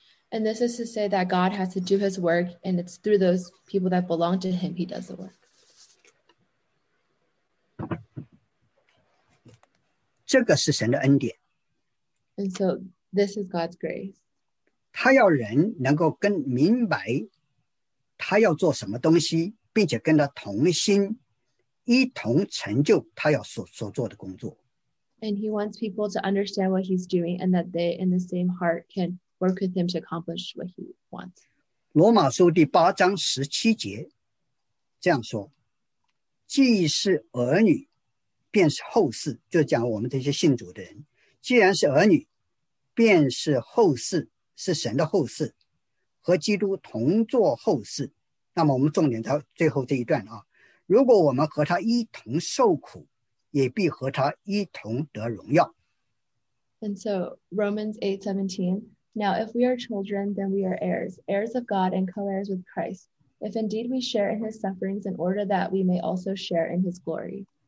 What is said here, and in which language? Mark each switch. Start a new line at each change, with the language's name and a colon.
English: And this is to say that God has to do his work, and it's through those people that belong to him he does the work.
Chinese: 这个是神的恩典。
English: And so this is God's grace.
Chinese: 他要人能够跟明白他要做什么东西，并且跟他同心，一同成就他要所做的工作。
English: And he wants people to understand what he's doing and that they in the same heart can work with him to accomplish what he wants.
Chinese: 罗马书第八章十七节这样说，既是儿女便是后嗣，就讲我们这些信主的人，既然是儿女便是后嗣，是神的后嗣，和基督同作后嗣。那么我们重点到最后这一段啊，如果我们和他一同受苦，也必和他一同得荣耀。
English: And so Romans 8:17, Now if we are children, then we are heirs, heirs of God and co-heirs with Christ. If indeed we share in his sufferings, in order that we may also share in his glory.